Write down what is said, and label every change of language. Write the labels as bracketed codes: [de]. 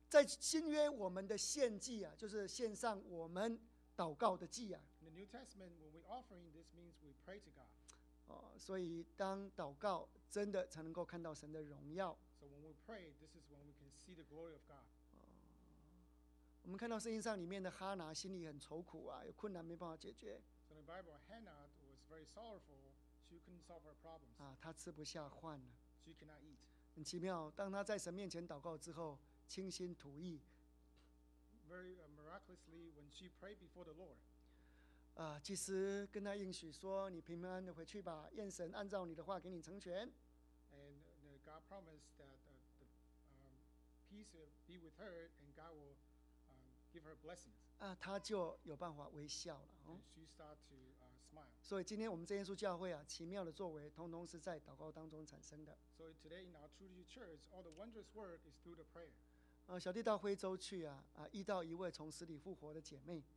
[zh] 在新约，我们的献祭啊，就是献上我们祷告的祭啊。 [en] In the New Testament, when we offering, this means we pray to God. [zh] 哦，所以当祷告真的才能够看到神的荣耀。 [en] So when we pray, this is when we can see the glory of God. [zh] 哦，我们看到圣经上里面的哈拿心里很愁苦啊，有困难没办法解决。 [en] So in the Bible, Hannah was very sorrowful. She couldn't solve her problems. [zh] 啊，她吃不下饭呢。 [en] She cannot eat. [zh] 很奇妙，当她在神面前祷告之后，倾心吐意。 [en] Very miraculously, when she prayed before the Lord. [zh] 啊，祭司跟他应许说：“你平平安安的回去吧，愿神按照你的话给你成全。” [en] And God promised that the peace be with her, and God will give her blessings. [zh] 啊，他就有办法微笑了。 [en] And she start to smile. [zh] 所以今天我们这耶稣教会啊，奇妙的作为，通通是在祷告当中产生的。 [en] So today in our True Jesus Church, all the wondrous work is through the prayer. [zh] 啊，小弟到徽州去啊，啊，遇到一位从死里复活的姐妹。